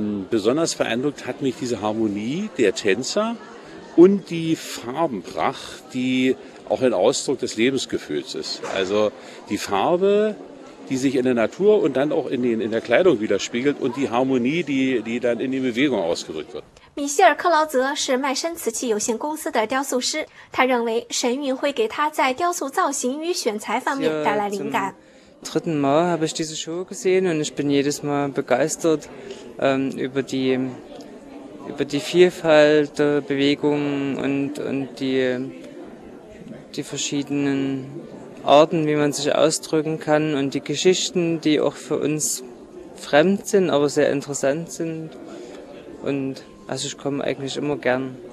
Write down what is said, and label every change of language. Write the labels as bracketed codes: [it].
[de] Besonders beeindruckt hat mich diese Harmonie der Tänzer und die Farbenpracht, die auch ein Ausdruck des Lebensgefühls ist. Also die Farbe, die sich in der Natur und dann auch in der Kleidung widerspiegelt und die Harmonie, die dann in die Bewegung ausgedrückt wird. [zh] 米歇尔·克劳泽是麦森瓷器有限公司的雕塑师，他认为神韵会给他在雕塑造型与选材方面带来灵感。 [de] Dritten Mal habe ich diese Show gesehen und ich bin jedes Mal begeistert über die Vielfalt der Bewegungen und die verschiedenen Arten, wie man sich ausdrücken kann und die Geschichten, die auch für uns fremd sind, aber sehr interessant sind und also ich komme eigentlich immer gern.